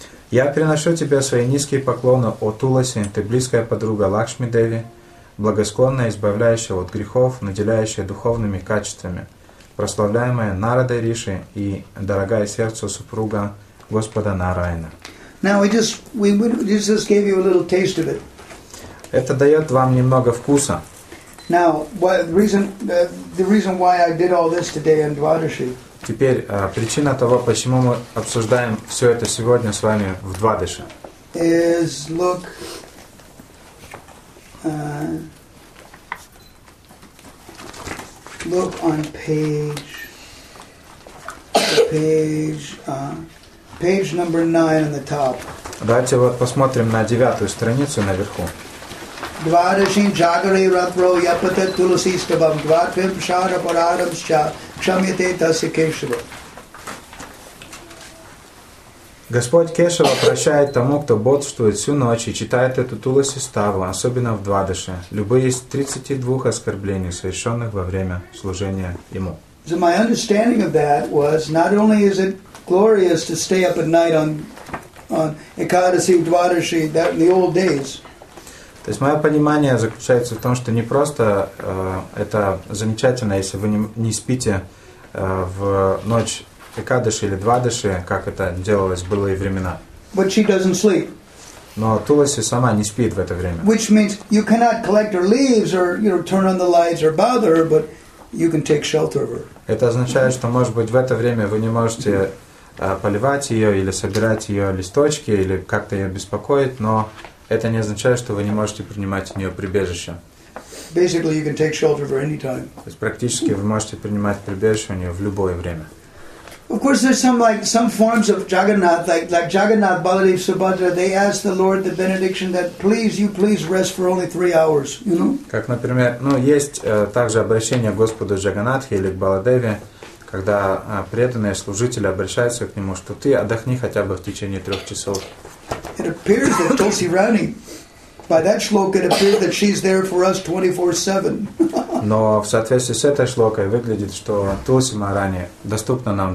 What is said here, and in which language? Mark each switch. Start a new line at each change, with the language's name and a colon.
Russian: Я приношу тебе свои низкие поклоны, о Туласи, ты близкая подруга Лакшми Деви, благосклонная, избавляющая от грехов, наделяющая духовными качествами, прославляемая Нарадой Риши и дорогая сердцу супруга Господа Нараяна.
English: Now we just gave you a little taste of it.
Russian: Это дает вам немного вкуса.
English: Now, the reason why I did all this today in Dvadashi.
Russian: Теперь причина того, почему мы обсуждаем все это сегодня с вами в Двадаше.
English: Is look. Look on page number 9 on the top.
Russian: Давайте вот посмотрим на 9-ю страницу наверху.
Sanskrit: Дварашин джагаре ратро япате туласистабам дватвим шара парарамсча кшамите таси кешва.
Russian: Господь Кешава прощает тому, кто бодрствует всю ночь и читает эту Туласи Ставу, особенно в Двадаше, любые из 32 оскорблений, совершенных во время служения Ему.
English: So my understanding of that was, not only is it glorious to stay up at night on Ekadasi, Dvadashi, that in the old days.
Russian: То есть мое понимание заключается в том, что не просто это замечательно, если вы не спите в ночь Экадаши или Двадаши, как это делалось в былые времена.
English: But she doesn't sleep.
Russian: Но Туласи сама не спит в это время.
English: Which means you cannot collect her leaves or, you know, turn on the lights or bother her, but you can take shelter of her.
Russian: Это означает, что, может быть, в это время вы не можете поливать ее или собирать ее листочки или как-то ее беспокоить, но это не означает, что вы не можете принимать у нее прибежище.
English: Basically, you can take shelter of her anytime.
Russian: То есть практически вы можете принимать прибежище у нее в любое время.
English: Of course, there's some forms of Jagannath, like Jagannath Baladev Subhadra. They ask the Lord the benediction that please rest for only 3 hours. You know.
Russian: Как, например, ну есть также обращение к Господу Джаганнатхе или к Баладеве, когда преданные служители обращаются к нему, что ты отдохни хотя бы в течение 3 часов.
English: It appears that Tulsi Rani, by that shloka, it appears that she's there for us 24/7.
Russian: Но в соответствии с этой шлокой выглядит, что Туласи Махарани доступна нам